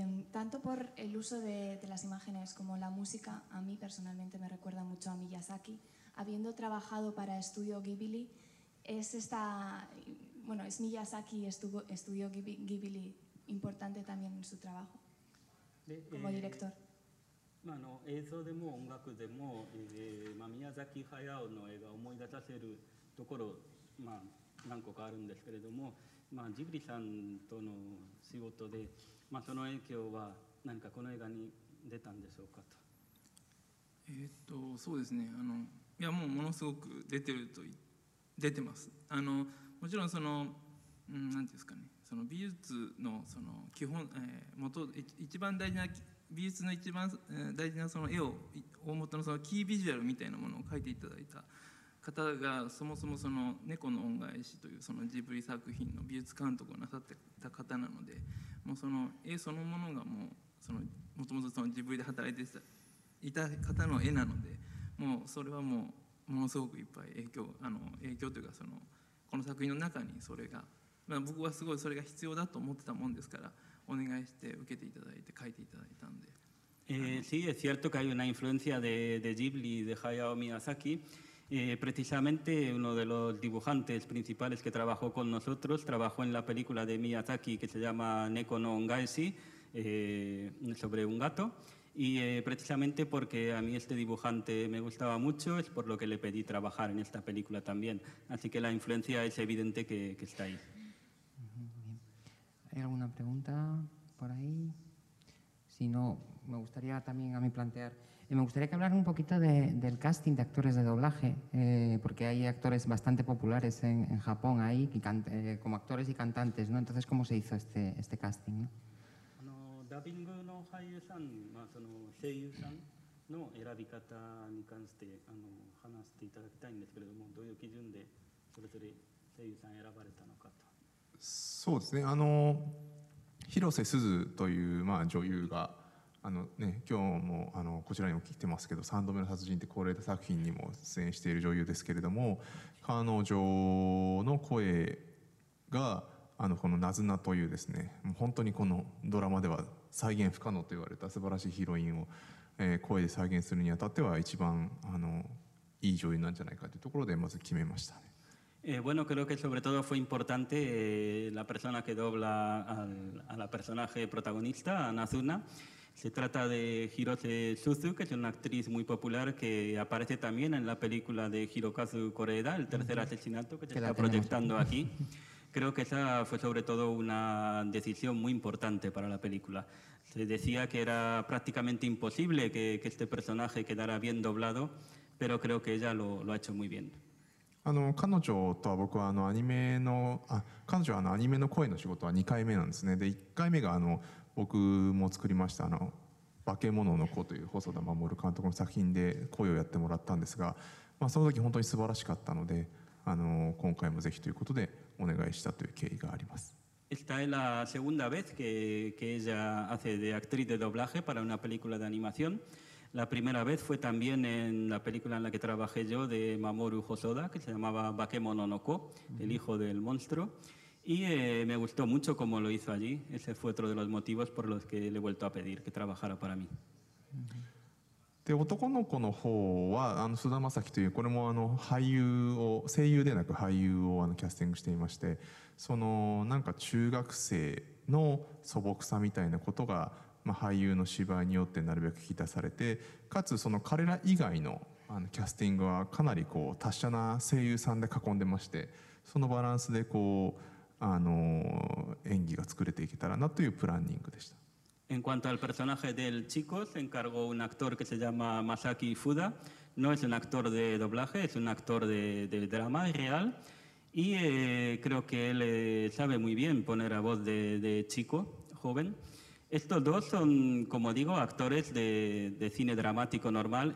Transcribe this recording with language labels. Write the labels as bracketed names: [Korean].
[Spanish] Tanto por el uso de las imágenes como la música, a mí personalmente me recuerda mucho a Miyazaki. Habiendo trabajado para Estudio Ghibli, ¿es Miyazaki y Estudio Ghibli importante también en su trabajo como director? [Japanese] Bueno, 映像でも音楽でも、Miyazaki Hayao の映画を思い出させるところ、何個かあるんですけれども、ジブリさんとの仕事で、その影響は何かこの映画に出たんでしょうかと。そうですね、いやもうものすごく出てると出てます。もちろんその何て言うんですかね、その美術のその基本、一番大事なその絵を大元のそのキービジュアルみたいなものを描いていただいた方が、そもそもその猫の恩返しというそのジブリ作品の美術監督をなさってた方なので、もうその絵そのものがもうそのもともとそのジブリで働いていた方の絵なので、もうそれはもうものすごくいっぱい影響というか、そのこの作品の中にそれが、僕はすごいそれが必要だと思ってたもんですから、お願いして受けていただいて書いていただいたんで。 [Spanish] Sí, es cierto que hay una influencia de Ghibli, de Hayao Miyazaki. Precisamente uno de los dibujantes principales que trabajó con nosotros trabajó en la película de Miyazaki que se llama Neko no Ongaeshi, sobre un gato, y precisamente porque a mí este dibujante me gustaba mucho es por lo que le pedí trabajar en esta película también. Así que la influencia es evidente que está ahí. ¿Hay alguna pregunta por ahí? Si no, me gustaría también a mí plantear. Me gustaría que hablaran un poquito del casting de actores de doblaje, porque hay actores bastante populares en Japón ahí, como actores y cantantes, ¿no? Entonces, ¿cómo se hizo este casting, ¿no? [Japanese] ダビングの俳優さん、その声優さんの選び方に関して話していただきたいんですけれども、どういう基準でそれぞれ声優さん選ばれたのかと。そうですね、広瀬すずという、女優が、今日もこちらにも来てますけど、3度目の殺人って恒例作品にも出演している女優ですけれども、彼女の声がこのナズナというですね、もう本当にこのドラマでは再現不可能と言われた素晴らしいヒロインを、声で再現するにあたっては一番いい女優なんじゃないかというところでまず決めましたね。 [Spanish] Bueno, creo que sobre todo fue importante la persona que dobla a la personaje protagonista, Nazuna. Se trata de Hirose Suzu, que es una actriz muy popular que aparece también en la película de Hirokazu Koreeda, el tercer asesinato que se está proyectando aquí. Creo que esa fue sobre todo una decisión muy importante para la película. Se decía que era prácticamente imposible que este personaje quedara bien doblado, pero creo que ella lo ha hecho muy bien. [Japanese] 彼女とは僕はアニメの、彼女はアニメの声の仕事は2回目なんですね。で、1回目が僕も作りました化け物の子という細田守監督の作品で声をやってもらったんですが、その時本当に素晴らしかったので、今回もぜひということでお願いしたという経緯があります。 [Spanish] Esta es la segunda vez que ella hace de actriz de doblaje para una película de animación. La primera vez fue también en la película en la que trabajé yo, de Mamoru Hosoda, que se llamaba Bakemon no Ko, el hijo del monstruo. Y me gustó mucho cómo lo hizo allí. Ese fue otro de los motivos por los que le he vuelto a pedir que trabajara para mí. [Japanese] で男の子の方は菅田将暉というこれもあの俳優を声優でなく俳優をあのキャスティングしていましてそのなんか中学生の素朴さみたいなことが、まあ、俳優の芝居によってなるべく引き出されてかつその彼ら以外 の、 あのキャスティングはかなりこう達者な声優さんで囲んでましてそのバランスでこうあの演技が作れていけたらなというプランニングでした。 [Spanish] En cuanto al personaje del chico, se encargó un actor que se llama Masaki Fuda. No es un actor de doblaje, es un actor de drama real. Y creo que él sabe muy bien poner a voz de chico, joven. Estos dos son, como digo, actores de cine dramático normal.